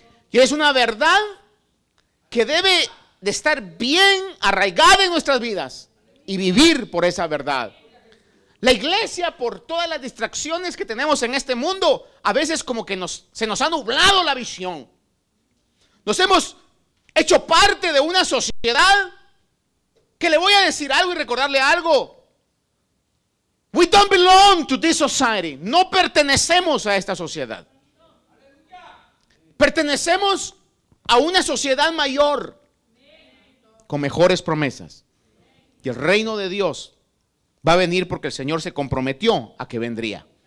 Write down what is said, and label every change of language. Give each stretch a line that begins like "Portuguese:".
Spanish: Y es una verdad que debe de estar bien arraigada en nuestras vidas y vivir por esa verdad. La iglesia, por todas las distracciones que tenemos en este mundo, a veces como que se nos ha nublado la visión. Nos hemos hecho parte de una sociedad que le voy a decir algo y recordarle algo.
English: We don't belong to this society.
Spanish: No pertenecemos a esta sociedad. Pertenecemos a una sociedad mayor, con mejores promesas. Y el reino de Dios va a venir porque el Señor se comprometió a que vendría.